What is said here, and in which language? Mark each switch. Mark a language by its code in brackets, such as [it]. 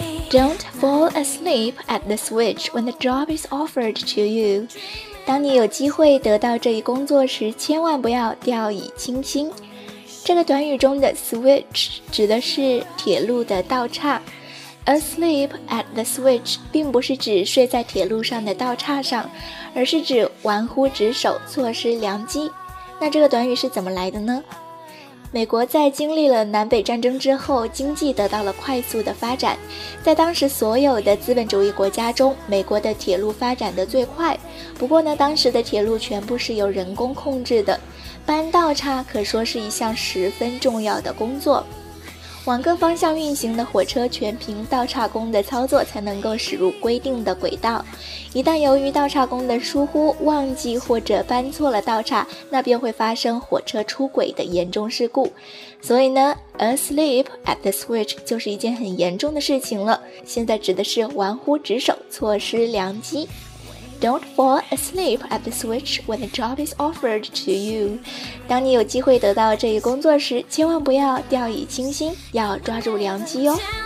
[en] Don't fall asleep at the switch when the job is offered to you. [zh] 当你有机会得到这一工作时，千万不要掉以轻心。这个短语中的 switch 指的是铁路的道岔。 [en] Asleep at the switch [zh] 并不是指睡在铁路上的道岔上，而是指玩忽职守，错失良机。那这个短语是怎么来的呢？美国在经历了南北战争之后，经济得到了快速的发展。在当时所有的资本主义国家中，美国的铁路发展得最快。不过呢，当时的铁路全部是由人工控制的，搬道岔可说是一项十分重要的工作。往各方向运行的火车全凭道岔工的操作才能够驶入规定的轨道，一旦由于道岔工的疏忽、忘记或者搬错了道岔，那便会发生火车出轨的严重事故。所以呢， [en] asleep at the switch [zh] 就是一件很严重的事情了，现在指的是玩忽职守，错失良机。 [en] Don't fall asleep at the switch when the job is offered to you. [zh] 当你有机会得到这一工作时，千万不要掉以轻心，要抓住良机哦。